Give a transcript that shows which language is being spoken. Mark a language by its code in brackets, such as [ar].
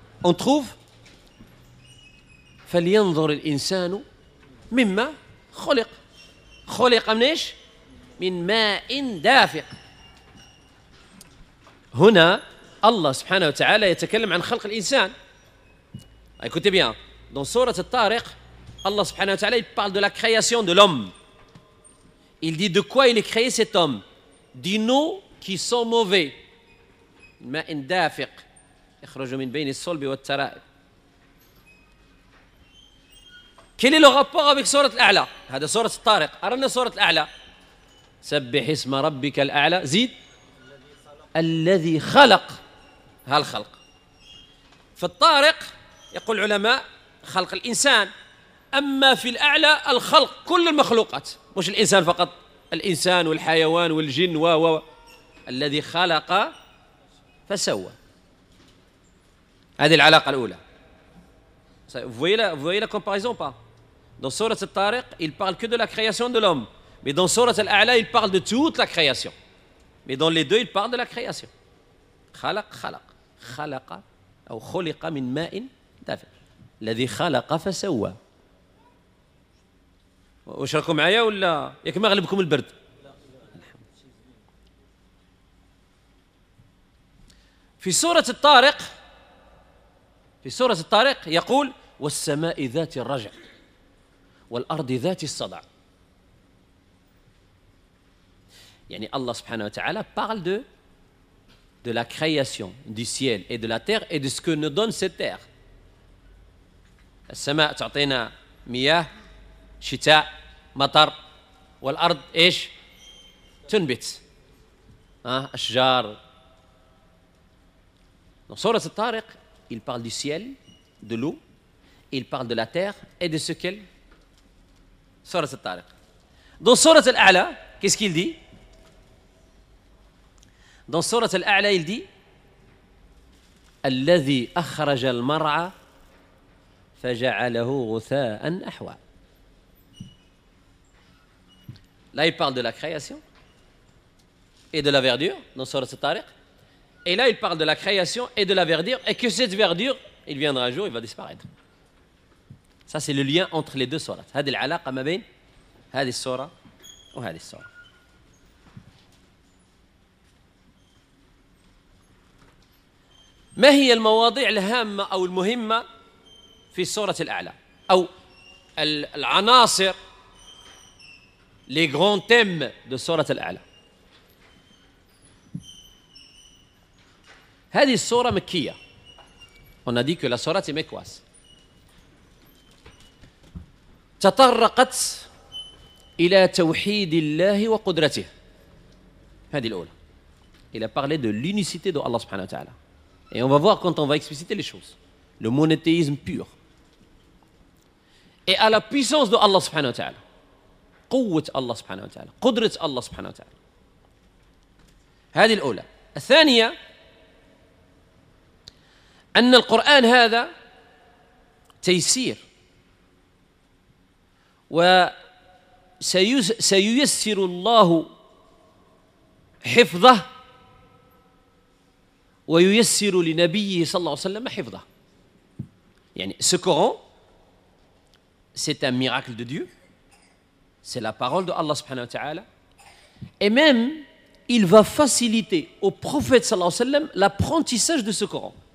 [fr] On trouve [ar] فلينظر الإنسان مما خلق. خلق من إيش؟ من ماء دافق. هنا الله سبحانه وتعالى يتكلم عن خلق الإنسان. [fr] Écoutez bien, dans Sourate al-Tariq, الله سبحانه وتعالى il parle de la création de l'homme. Il dit de quoi il a créé cet homme? D'une eau qui sont mauvais. [ar] ماء دافق يخرج من بين الصلب والترائب. [fr] كيلي لو غابوغ افيك سورة الأعلى؟ [ar] هذا سورة الطارق. أرنا سورة الأعلى. سبح اسم ربك الأعلى، زيد الذي خلق. هالخلق في الطارق يقول العلماء خلق الإنسان، أما في الأعلى الخلق كل المخلوقات مش الإنسان فقط، الإنسان والحيوان والجن و و الذي خلق فسوى. هذه العلاقة الأولى. [fr] Vous voyez la comparaison pas? Dans سورة الطارق il parle que de la création de l'homme. Mais dans سورة الأعلى il parle de toute la création. Mais dans les deux il parle de la création. [ar] خلق خلق خلق أو خلق من ماء دافق. الذي خلق فسوى. واش راكم معايا ولا ياك ما غلبكم البرد؟ في سورة الطارق يقول والسماء ذات الرجع والأرض ذات الصدع. [fr] يعني الله سبحانه وتعالى parle de la création du ciel et de la terre et de ce que nous donne cette terre. [ar] السماء تعطينا مياه، شتاء، مطر، والأرض ايش؟ تنبت، أشجار. [fr] Dans Sourate al-Tariq, il parle du ciel, de l'eau, il parle de la terre et de ce qu'elle. Sourate al-Tariq. Dans Sourate al-A'la, qu'est-ce qu'il dit? Dans Sourate al-A'la, il dit [ar] الذي أخرج المرعى فجعله غثاء أحوى. [fr] Là, il parle de la création et de la verdure dans Sourate al-Tariq. Et là, il parle de la création et de la verdure, et que cette verdure, il viendra un jour, il va disparaître. Ça, c'est le lien entre les deux sourates. [ar] هذه العلاقة ما بين هذه السورة وهذه السورة. ما هي المواضيع الهامة أو المهمة في السورة الأعلى أو العناصر [fr] les grands thèmes de [ar] سورة الأعلى؟ هذه السورة مكية. [fr] On a dit que la سورة est mécoise. [ar] تطرقت إلى توحيد الله وقدرته. هذه الأولى. [fr] Il a parlé de l'unicité de Allah subhanahu wa ta'ala. Et on va voir quand on va expliciter les choses. Le monothéisme pur. Et à la puissance de Allah subhanahu wa ta'ala. [ar] Quwwat Allah subhanahu wa ta'ala. Qudrat Allah subhanahu wa ta'ala. هذه الأولى. الثانية أن القرآن هذا تيسير وسييسر الله حفظه وييسر لنبيه صلى الله عليه وسلم حفظه. [fr] يعني ce Coran c'est un miracle de Dieu, c'est la parole de Allah subhanahu wa ta'ala, et même il va faciliter au prophète sallallahu alayhi wa sallam l'apprentissage de ce Coran.